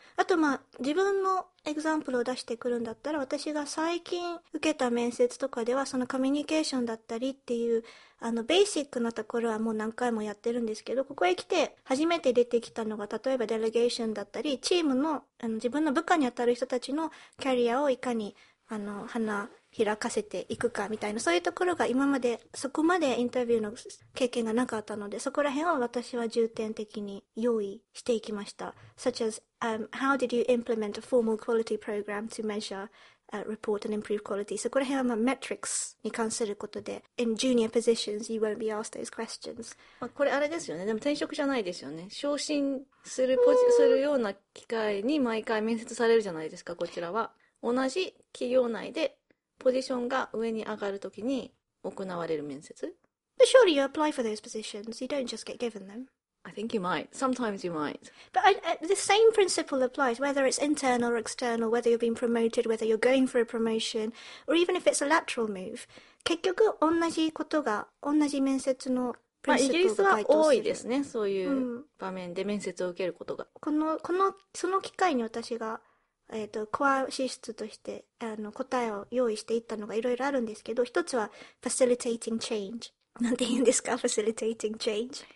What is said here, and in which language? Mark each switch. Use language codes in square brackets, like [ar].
[ja] あと、まあ自分のエグザンプルを出してくるんだったら、私が最近受けた面接とかではそのコミュニケーションだったりっていうベーシックなところはもう何回もやってるんですけど、ここへ来て初めて出てきたのが、例えばデレゲーションだったり、チーム の自分の部下にあたる人たちのキャリアをいかに花開かせていくかみたいな、そういうところが今までそこまでインタビューの経験がなかったので、そこら辺は私は重点的に用意していきました。 [en] Such as、How did you implement a formal quality program to measure、report and improve quality? そこら辺は、まあ、metrics に関することで、 In junior positions you won't be asked those questions。 [ja] まあこれあれですよね、でも転職じゃないですよね、昇進するするような機会に毎回面接されるじゃないですか。こちらは同じ企業内でポジションが上に上がるときに行われる面接。 [en] But surely you apply for those positions. You don't just get given them. I think you might. Sometimes you might. But the same principle applies, whether it's internal or external, whether you're being promoted, whether you're going for a promotion, or even if it's a lateral move. [ja] 結局同じことが、同じ面接のまあ、イギリスは多いですね。そういう場面で面接を受けることが。その機会に私が、コア資質として答えを用意していったのがいろいろあるんですけど、一つは facilitating change、 なんて言うんですか、 facilitating change、